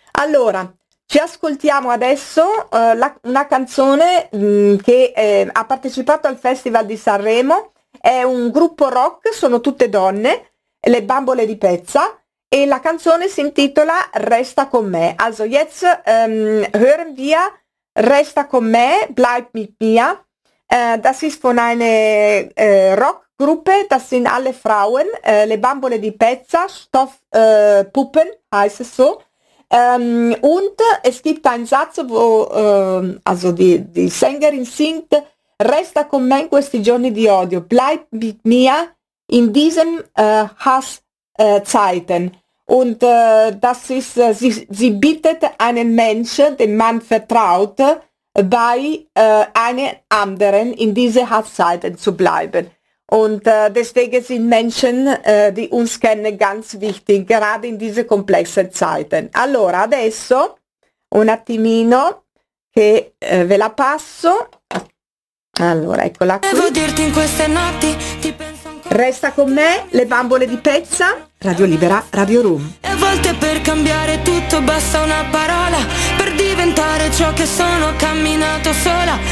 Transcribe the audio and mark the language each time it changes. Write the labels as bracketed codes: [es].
[it] Allora, ci ascoltiamo adesso una canzone che ha partecipato al Festival di Sanremo, è un gruppo rock, sono tutte donne, Le Bambole di Pezza, e la canzone si intitola Resta con me. [de] Also jetzt hören wir Resta con me, Bleib mit mir. Das ist von einer Rockgruppe, das sind alle Frauen, Le Bambole di Pezza, Stoffpuppen heißt es so. Und es gibt einen Satz, wo die Sängerin singt, [it] Resta con me in questi giorni di odio, [de] Bleib mit mir in diesen Hasszeiten. Und das ist, sie bittet einen Menschen, den man vertraut, bei einem anderen in diese Hasszeiten zu bleiben. Und deswegen sind Menschen, die uns kennen, ganz wichtig, gerade in diese komplexen Zeiten. [it] Allora, adesso, un attimino, che ve la passo. Allora, eccola qui. Devo dirti in queste notti, ti penso ancora. Resta con me, Le Bambole di Pezza, Radio Libera, Radio Room. E a volte per cambiare tutto basta una parola, per diventare ciò che sono, camminato sola.